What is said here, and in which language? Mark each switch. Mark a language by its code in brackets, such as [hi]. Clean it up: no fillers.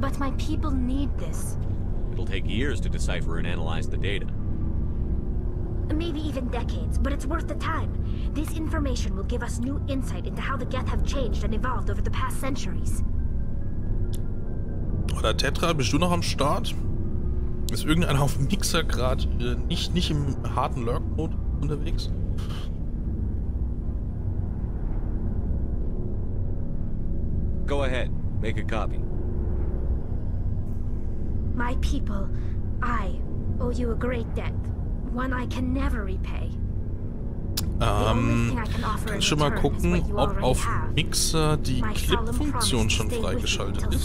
[en] But my people need this. It'll take years to decipher and analyze the data. Maybe even decades, but it's worth the time. This information will give us new insight into how the Geth have changed and evolved over the past centuries. [de] Oder Tetra, bist du noch am Start? Ist irgendeiner auf Mixer gerade nicht im harten Lurk-Mode unterwegs? [en] Go ahead, make a copy. My people, I owe you a great debt, one I can never repay. [de] Kann schon mal gucken, ob auf Mixer die Clip-Funktion schon freigeschaltet ist.